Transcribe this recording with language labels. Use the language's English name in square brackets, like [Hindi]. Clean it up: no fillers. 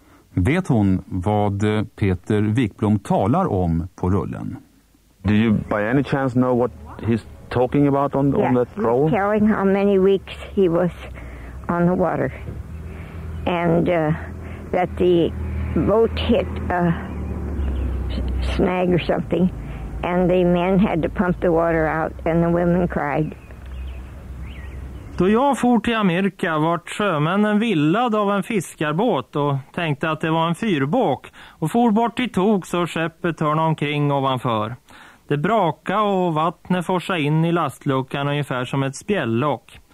[Swedish] Vet hon vad Peter Wickblom talar om på rullen? [English] Do you by any chance know what he's talking about on, yeah, on that roll? He's telling how many weeks he was on the water. And that the boat hit a snag or something, and the men had to pump the water out, and the women cried. [Swedish] Då jag for till Amerika vart sjömännen villad av en fiskarbåt och tänkte att det var en fyrbåk och for bort i tok så skeppet törna omkring ovanför. Det braka och vattnet forsade in i lastluckan ungefär som ett spjällock.